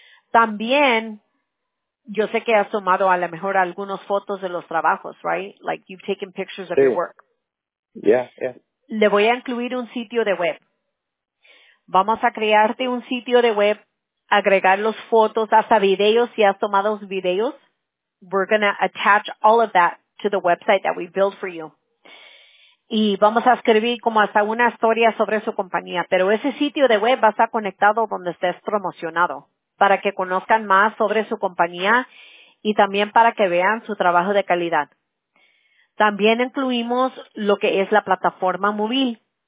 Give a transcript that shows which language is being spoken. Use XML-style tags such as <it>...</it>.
<es>También, yo sé que has tomado a lo mejor algunas fotos de los trabajos, right?</es> <en>Like you've taken pictures of your work. Yeah.</en> <es>Le voy a incluir un sitio de web. Vamos a crearte un sitio de web, agregar los fotos, hasta videos, si has tomado videos.</es> <en>We're going to attach all of that to the website that we built for you.</en> <es>Y vamos a escribir como hasta una historia sobre su compañía. Pero ese sitio de web va a estar conectado donde estés promocionado para que conozcan más sobre su compañía y también para que vean su trabajo de calidad. También incluimos lo que es la plataforma móvil.</es>